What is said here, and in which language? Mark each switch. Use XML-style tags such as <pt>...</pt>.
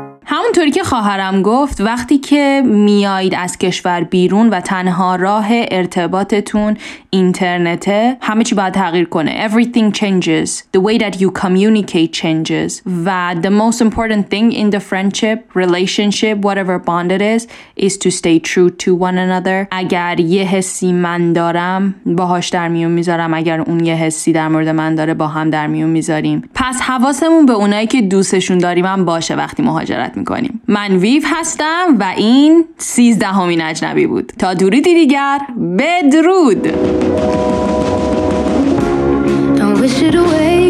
<fa>همونطوری که خواهرم گفت، وقتی که میایید از کشور بیرون و تنها راه ارتباطتون اینترنته، همه چی باید تغییر کنه.</fa> <en>Everything changes. The way that you communicate changes. و the most important thing in the friendship, relationship, whatever bond it is to stay true to one another.</en> <fa>اگر یه حسی من دارم، باهاش در میون میذارم. اگر اون یه حسی در مورد من داره، با هم در میون میذاریم. پس حواسمون به اونایی که دوستشون داریم هم باشه وقتی مهاجرت میکنیم. من ویف هستم و این 13th اجنبی بود. تا درودی دیگر، بدرود.</fa> <en>Don't wish it away.</en>